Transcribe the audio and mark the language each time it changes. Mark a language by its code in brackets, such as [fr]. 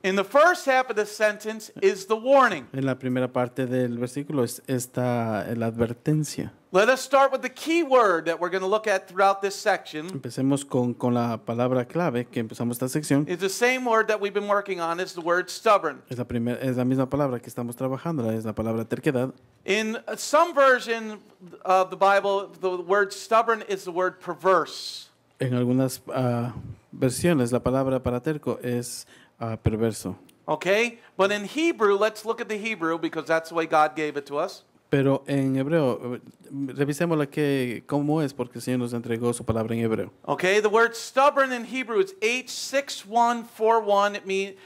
[en] In the first half of the sentence is the warning. [es] En la primera parte del versículo está la advertencia. [en] Let us start with the key word that we're going to look at throughout this section. [es] Empecemos con la palabra clave que empezamos esta sección. [en] It's the same word that we've been working on, is the word stubborn. [es] Es la misma palabra que estamos trabajando, es la palabra terquedad. [en] In some version of the Bible, the word stubborn is the word perverse. [es] En algunas versiones, la palabra para terco es perverso. [en] Okay, but in Hebrew, let's look at the Hebrew because that's the way God gave it to us. [es] Pero en hebreo, revisemos cómo es porque el Señor nos entregó su palabra en hebreo. [en] Okay, the word stubborn in Hebrew is H6141.